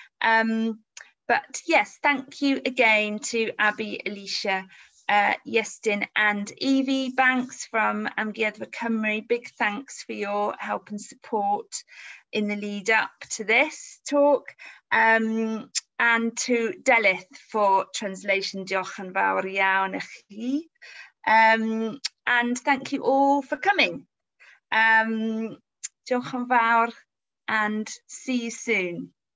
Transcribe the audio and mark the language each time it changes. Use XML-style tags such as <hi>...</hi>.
<en>But yes, thank you again to Abby, Elisha, Iestyn and Evie Banks from Amgueddfa Cymru. Big thanks for your help and support in the lead up to this talk. And to Delith for translation.</en> <cy>Diolch yn fawr iawn I chi.</cy> <en>And thank you all for coming.</en> <cy>Diolch yn fawr</cy> <en>and see you soon.</en>